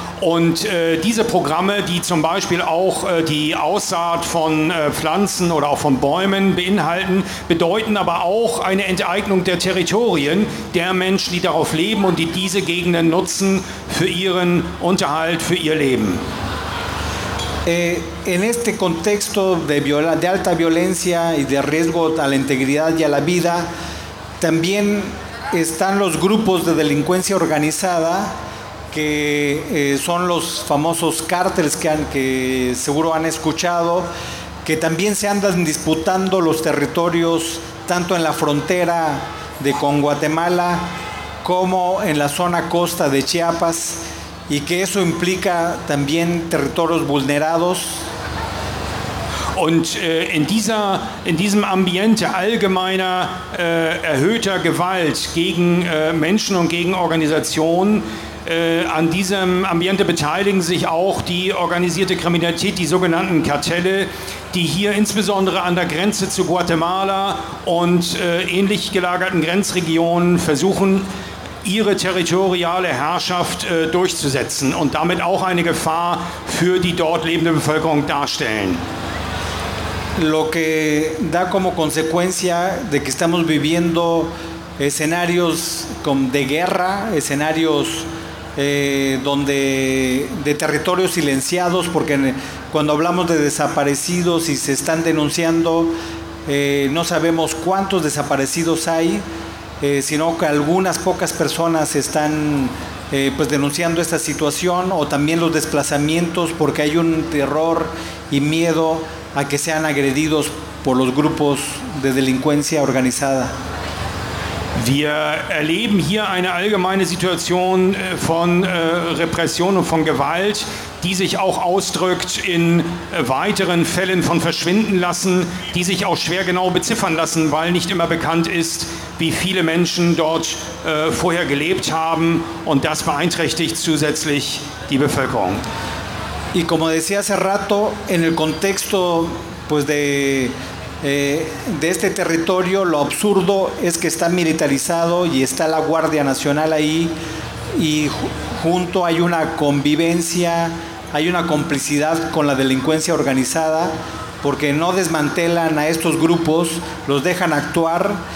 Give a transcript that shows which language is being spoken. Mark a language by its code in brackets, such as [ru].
[de] Und diese Programme, die zum Beispiel auch die Aussaat von Pflanzen oder auch von Bäumen beinhalten, bedeuten aber auch eine Enteignung der Territorien der Menschen, die darauf leben und die diese Gegenden nutzen für ihren Unterhalt, für ihr Leben. [es] En este contexto de alta violencia y de riesgo a la integridad y a la vida, también están los grupos de delincuencia organizada, que son los famosos cárteles que seguro han escuchado, que también se andan disputando los territorios tanto en la frontera con Guatemala como en la zona costa de Chiapas, y que eso implica también territorios vulnerados. [de] Und in diesem Ambiente allgemeiner erhöhter Gewalt gegen Menschen und gegen Organisationen An diesem Ambiente beteiligen sich auch die organisierte Kriminalität, die sogenannten Kartelle, die hier insbesondere an der Grenze zu Guatemala und ähnlich gelagerten Grenzregionen versuchen, ihre territoriale Herrschaft durchzusetzen und damit auch eine Gefahr für die dort lebende Bevölkerung darstellen. [es] Lo que da como consecuencia de que estamos viviendo escenarios de guerra, escenarios donde de territorios silenciados, porque cuando hablamos de desaparecidos y se están denunciando, no sabemos cuántos desaparecidos hay, sino que algunas pocas personas están pues denunciando esta situación, o también los desplazamientos, porque hay un terror y miedo a que sean agredidos por los grupos de delincuencia organizada. [de] Wir erleben hier eine allgemeine Situation von Repression und von Gewalt, die sich auch ausdrückt in weiteren Fällen von Verschwinden lassen, die sich auch schwer genau beziffern lassen, weil nicht immer bekannt ist, wie viele Menschen dort vorher gelebt haben, und das beeinträchtigt zusätzlich die Bevölkerung. [es] Y como decía hace rato, en el contexto pues de este territorio, lo absurdo es que está militarizado y está la Guardia Nacional ahí, y junto hay una convivencia, hay una complicidad con la delincuencia organizada, porque no desmantelan a estos grupos, los dejan actuar.